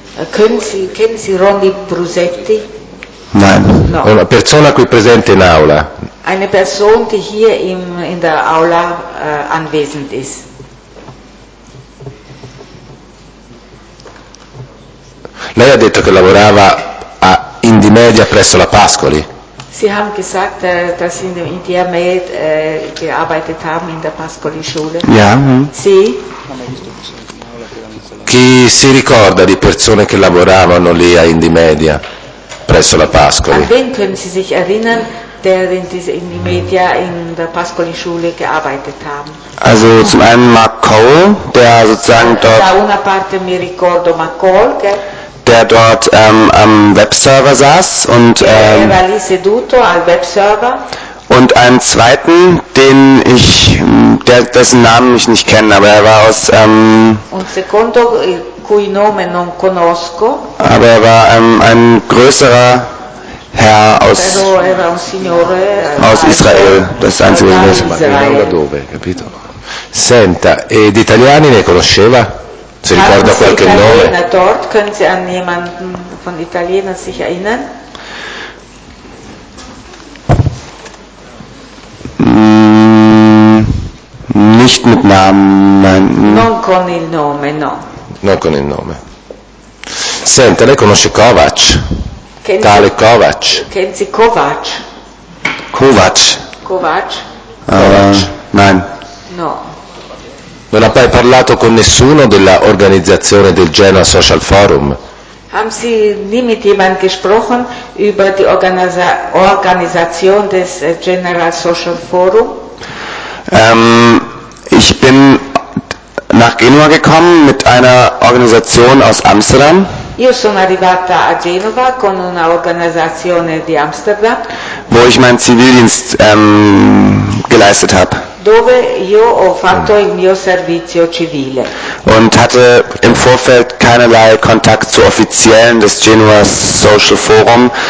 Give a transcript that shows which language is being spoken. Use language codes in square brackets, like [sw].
[de] Kennen Sie Ronny Brusetti? [it] No. Una persona qui presente in aula. [de] Eine Person, die hier in der Aula anwesend ist. [it] Lei ha detto che lavorava Indimedia presso la Pascoli. [de] Sie haben gesagt, dass Sie in der Armee gearbeitet haben, in der Pascoli-Schule. Ja. Sie? [it] Chi si ricorda di persone che lavoravano lì a Indimedia, presso la Pascoli? [de] An wen können Sie sich erinnern, der in dieser Indimedia in der Pascoli-Schule gearbeitet haben? Also zum einen Mark Cole, der sozusagen dort... [it] Da una parte mi ricordo Mark Cole, che... [de] Der dort am Webserver saß und [it] war lì seduto al Webserver. [de] Und einen zweiten, den ich, dessen Namen ich nicht kenne, aber er war aus [it] un secondo il cui nome non conosco, [de] aber er war ein größerer Herr aus, [it] era un signore, [de] aus Israel, das ist das einzige, was ich weiß. [it] Senta, ed italiani ne conosceva? Si ricorda qualche nome? [de] Dort, können Sie an jemanden von Italienern sich erinnern? Nicht mit Namen. [it] Non con il nome, no. Non con il nome. Senta, lei conosce Kovac? Tale Kovac? [de] Kennen Sie Kovac? Kovac? Kovac? Nein. [it] No. Non ha mai parlato con nessuno della organizzazione del Genoa Social Forum? [de] Haben Sie nie mit jemandem gesprochen über die Organisation des General Social Forum? Ich bin nach Genua gekommen mit einer Organisation aus Amsterdam. [it] Io sono arrivata a Genova con una organizzazione di Amsterdam. [de] Wo ich meinen Zivildienst geleistet habe. [it] Dove io ho fatto il mio servizio civile. [de] Und hatte im Vorfeld keinerlei Kontakt zu Offiziellen des Genoa Social Forum.